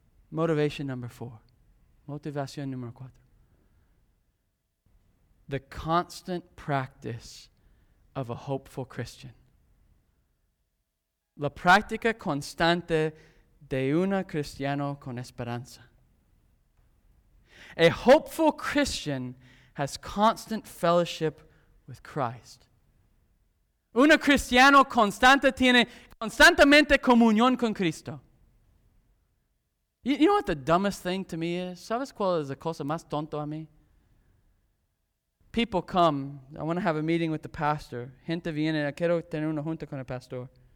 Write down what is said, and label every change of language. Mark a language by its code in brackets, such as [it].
[en] Motivation number four. [es] Motivación número cuatro. [en] The constant practice of a hopeful Christian. [es] La práctica constante de un cristiano con esperanza. [en] A hopeful Christian has constant fellowship with Christ. [es] Un cristiano constante tiene constantemente comunión con Cristo. [en] You know what the dumbest thing to me is? [es] ¿Sabes cuál es la cosa más tonto a mí? [en] People come, I want to have a meeting with the pastor. [es] Gente viene, quiero tener una junta con el pastor.